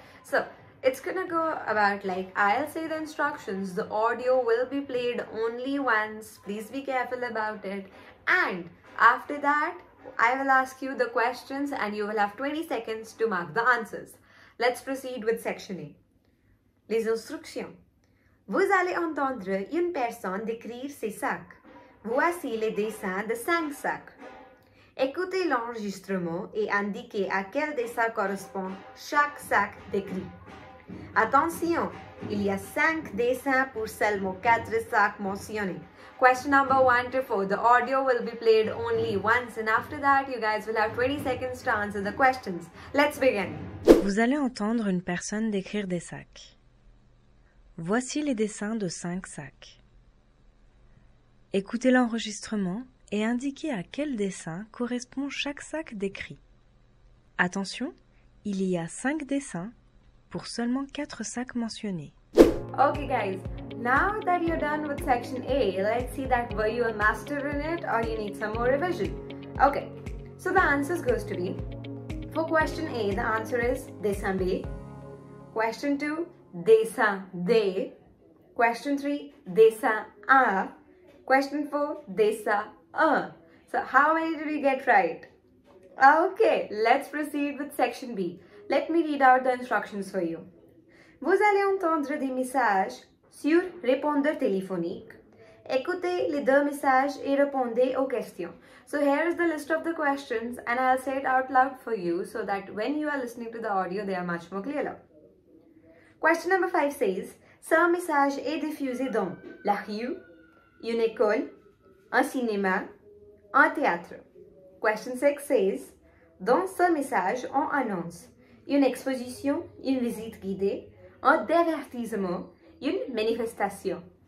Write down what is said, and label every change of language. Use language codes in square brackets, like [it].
[en] So it's gonna go about like, I'll say the instructions, the audio will be played only once, please be careful about it. And after that, I will ask you the questions and you will have 20 seconds to mark the answers. Let's proceed with section A. [fr] Les instructions. Vous allez entendre une personne décrire ses sacs. Voici les dessins de 5 sacs. Écoutez l'enregistrement et indiquez à quel dessin correspond chaque sac décrit. Attention, il y a 5 dessins pour seulement 4 sacs mentionnés. [en] Question number 1 to 4. The audio will be played only once and after that you guys will have 20 seconds to answer the questions. Let's begin. [fr] Vous allez entendre une personne décrire des sacs. Voici les dessins de 5 sacs. Écoutez l'enregistrement et indiquez à quel dessin correspond chaque sac décrit. Attention, il y a 5 dessins pour seulement 4 sacs mentionnés. [en] Okay guys, now that you're done with section A, let's see that were you a master in it or you need some more revision. Okay, so the answers goes to be, for question A, the answer is dessin B. Question 2, dessin D. Question 3, dessin A. Question 4, Desa So how many did we get right? Okay, let's proceed with section B. Let me read out the instructions for you. [fr] Vous allez entendre des messages sur répondeur téléphonique. Écoutez les deux messages et répondez aux questions. [en] So here is the list of the questions and I'll say it out loud for you so that when you are listening to the audio, they are much more clearer. Question number 5 says, [fr] ce message est diffusé dans la rue, une école, un cinéma, un théâtre. [en] Question 6 says, [fr] dans ce message, on annonce une exposition, une visite guidée, un divertissement, une manifestation.